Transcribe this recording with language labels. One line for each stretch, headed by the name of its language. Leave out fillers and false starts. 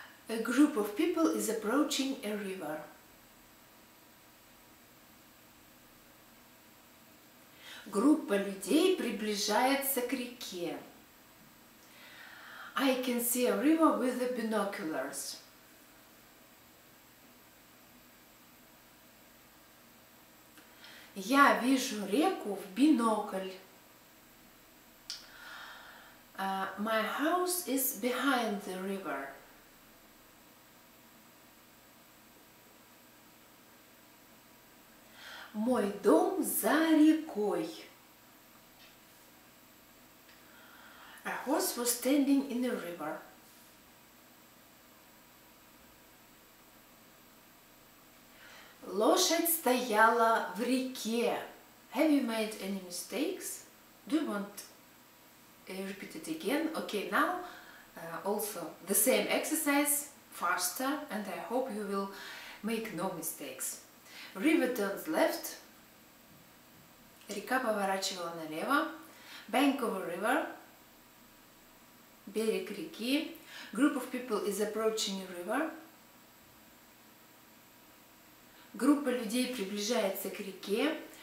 English: A group of people is approaching a river.
Russian: Группа людей приближается к реке.
English: I can see a river with the binoculars.
Russian: Я вижу реку в бинокль.
English: My house is behind the river.
Russian: Мой дом за рекой.
English: A horse was standing in the river.
Russian: Лошадь стояла в реке.
English: Have you made any mistakes? Do you want to repeat it again? Okay, now also the same exercise, faster, and I hope you will make no mistakes. River turns left.
Russian: Река поворачивала налево.
English: Bank of a river.
Russian: Берег реки.
English: Group of people is approaching a river.
Russian: Группа людей приближается к реке.